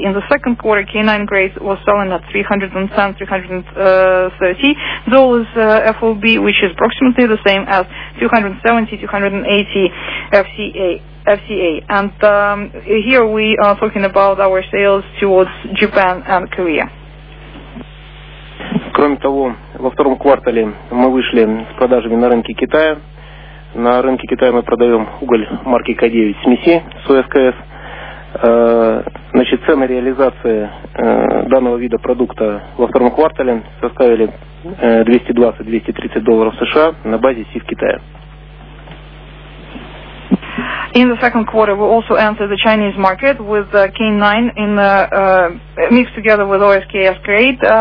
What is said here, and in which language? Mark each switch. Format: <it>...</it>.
<en>In the second quarter, K9 grade was selling at $310, $330 FOB, which is approximately the same as $270, $280 FCA. And here we are talking about our sales towards Japan and Korea.</en> <ru>Кроме того, во втором квартале мы вышли с продажами на рынке Китая. На рынке Китая мы продаем уголь марки К9 смеси с ОСКС. Значит, цены реализации данного вида продукта во втором квартале составили $220-230 США на базе СИФ Китая.</ru> <en>In the second quarter, we also entered the Chinese market with K9 in mixed together with OSKS grade.</en>